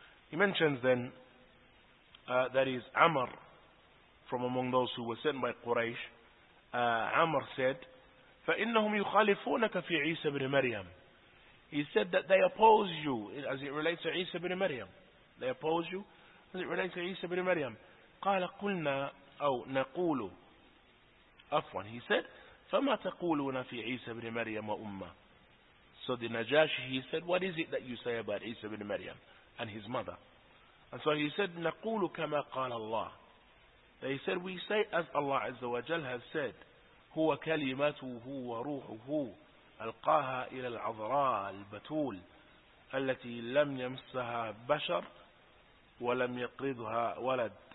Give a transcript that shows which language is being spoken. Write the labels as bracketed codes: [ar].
[en] He mentions then, that is Amr, from among those who were sent by Quraysh, Amr said, [ar] فَإِنَّهُمْ يُخَالِفُونَكَ فِي عِيسَى بْنِ مَرْيَمْ. [en] He said that they oppose you as it relates to Isa ibn Maryam. They oppose you as it relates to Isa ibn Maryam. [ar] قَالَ قُلْنَا أَوْ نَقُولُ أَفْوَنْ. [en] He said, [ar] فَمَا تَقُولُونَ فِي عِيسَى بْنِ مَرْيَمْ وَأُمَّهُ. [en] So the Najashi, he said, what is it that you say about Isa ibn Maryam and his mother? And so he said, [ar] نَقُولُ كَمَا قَالَ اللَّهُ. [en] They said, we say as Allah Azza wa Jal has said, [ar] هو كلمته وروحه ألقاها إلى العذراء البتول التي لم يمسها بشر ولم يقرضها ولد.